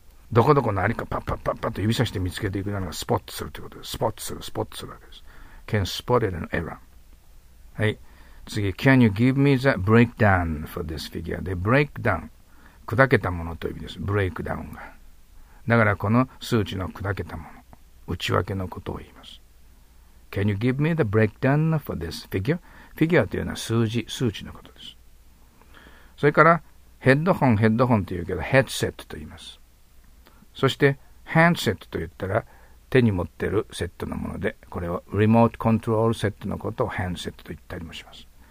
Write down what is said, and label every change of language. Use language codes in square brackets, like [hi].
[ja] どこどこ何かパッパッパッパッと指差して見つけていくのがスポットするということです。スポットする、スポットするわけです。 [en] Can spot it an error. [ja] はい。次、 [en] Can you give me the breakdown for this figure? [ja] で、 [en] breakdown。 [ja] 砕けたものという意味です。 breakdown が。だから、この数値の砕けたもの。内訳のことを言います。 [en] Can you give me the breakdown for this figure? [ja] フィギュアというのは数字、数値のことです。それから、ヘッドホン、ヘッドホンと言うけど、ヘッドセットと言います。そして、ハンドセットと言ったら、手に持ってるセットのもので、これをリモートコントロールセットのことをハンドセットと言ったりもします。